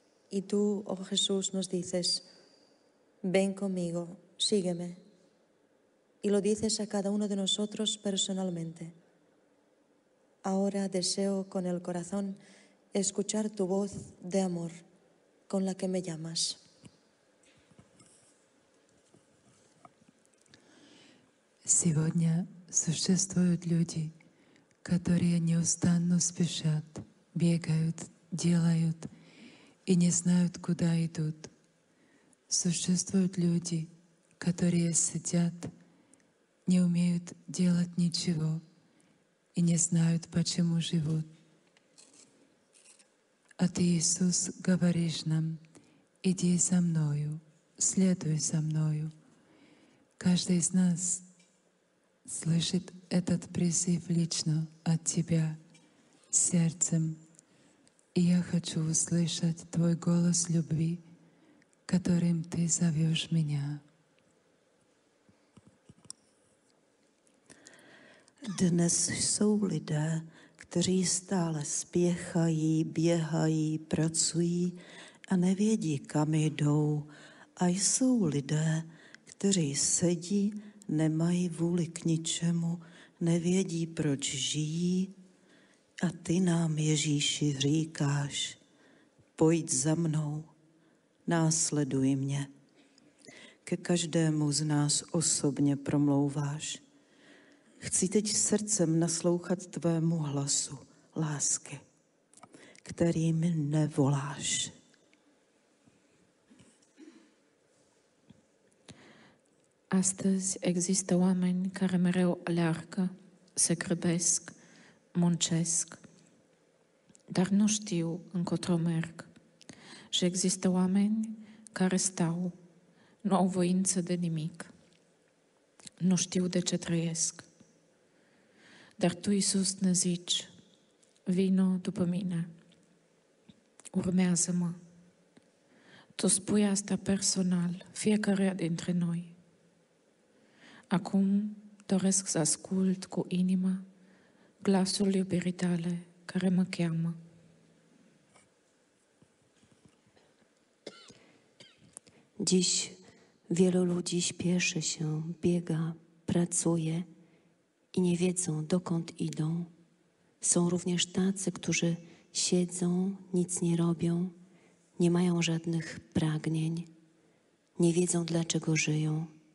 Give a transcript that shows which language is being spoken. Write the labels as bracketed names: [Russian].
[Spanish] Y tú, oh Jesús, nos dices, ven conmigo, sígueme. Y lo dices a cada uno de nosotros personalmente. Ahora deseo con el corazón escuchar tu voz de amor con la que me llamas. [Russian] Сегодня существуют люди, которые неустанно спешат, бегают, делают и не знают, куда идут. Существуют люди, которые сидят, не умеют делать ничего и не знают, почему живут. А ты, Иисус, говоришь нам, иди за мною, следуй за мною. Каждый из нас слышит этот призыв лично от Тебя, сердцем. И я хочу услышать Твой голос любви, которым Ты зовешь меня. [Czech] Dnes jsou lidé, kteří stále spěchají, běhají, pracují a nevědí, kam jdou. A jsou lidé, kteří sedí, nemají vůli k ničemu, nevědí, proč žijí. A ty nám, Ježíši, říkáš, pojď za mnou, následuj mě. Ke každému z nás osobně promlouváš. Chci teď srdcem naslouchat tvému hlasu, lásky, kterým nevoláš. [Romanian] Astăzi există oameni care mereu aleargă, se grăbesc, muncesc, dar nu știu încotro merg. Și există oameni care stau, nu au voință de nimic, nu știu de ce trăiesc. Dar Tu, Iisus, ne zici, vino după mine, urmează-mă. Tu spui asta personal, fiecare dintre noi. Acum doresc să ascult cu inima glasul iubirii tale care mă cheamă. [Polish] Dziś wielu ludzi śpieszy się, biega, pracuje i nie wiedzą, dokąd idą. Są również tacy, którzy siedzą, nic nie robią, nie mają żadnych pragnień, nie wiedzą, dlaczego żyją.